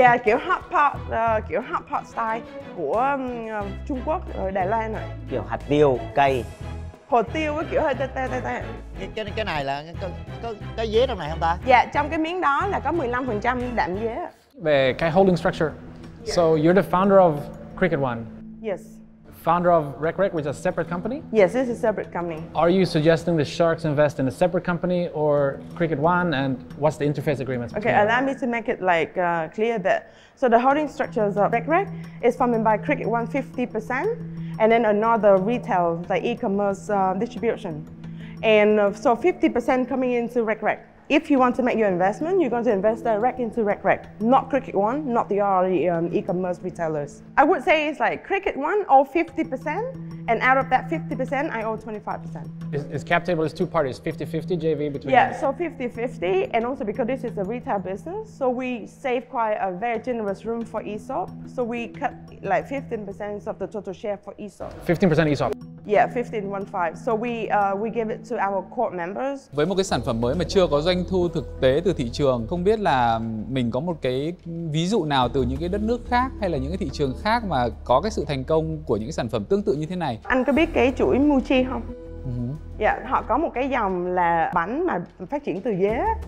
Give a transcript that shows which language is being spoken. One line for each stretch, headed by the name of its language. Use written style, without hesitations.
Vietnamese: Yeah, kiểu hot pot, kiểu hot pot style của Trung Quốc rồi Đài Loan rồi. Kiểu hạt tiêu cay. Hồ tiêu với kiểu hơi tê tê tê tê. Cái này là có dế trong này không ta? Dạ, trong cái miếng đó là có 15% đạm dế. Về cái
English: holding structure. So you're the founder of Cricket One. Yes. Founder of RecRec, which is a separate company? Yes, this is a separate company. Are you suggesting the sharks invest in a separate company or Cricket One, and what's the interface agreement? Okay, allow me to make it like clear that so the holding structures of RecRec is funded by Cricket One 50%, and then another retail, like e-commerce distribution, and so 50% coming into RecRec. If you want to make your investment, you're going to invest direct into RecRec, not Cricket One, not the other e-commerce retailers. I would say it's like Cricket One owe 50%, and out of that 50%, I owe 25%. Is cap table is two parties, 50-50 JV between? Yeah, so 50-50, and also because this is a retail business, so we save quite a very generous room for ESOP. So we cut like 15% of the total share for ESOP. 15% ESOP. Yeah, 15.15. So we give it to our core members.
Vietnamese: Với một cái sản phẩm mới mà chưa có doanh thu thực tế từ thị trường, không biết là mình có một cái ví dụ nào từ những cái đất nước khác hay là những cái thị trường khác mà có cái sự thành công của những cái sản phẩm tương tự như thế này. Anh có biết cái chuỗi Muji không? Dạ, họ có một cái dòng là bánh mà phát triển từ dế.